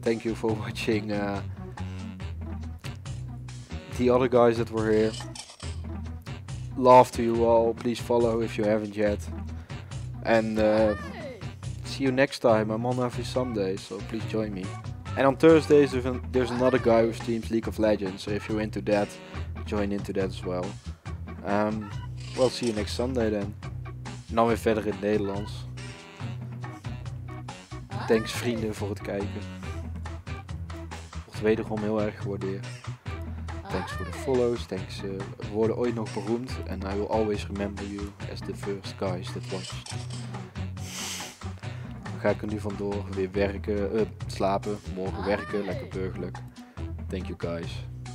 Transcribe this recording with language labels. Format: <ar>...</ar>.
<en>Thank you for watching the other guys that were here. Love to you all. Please follow if you haven't yet. And see you next time. I'm on every Sunday, so please join me. And on Thursdays, there's another guy who streams League of Legends. So if you're into that, join into that as well. Well, see you next Sunday then.</en> <nl>Nou weer verder in het Nederlands. Thanks vrienden voor het kijken. Wordt wederom heel erg gewaardeerd. Thanks voor de follows. Thanks. Worden ooit nog beroemd.</nl> <en>And I will always remember you as the first guys that watched.</en> <nl>Dan ga ik er nu vandoor. Weer werken. Slapen. Morgen werken. Lekker burgerlijk.</nl> <en>Thank you guys.</en>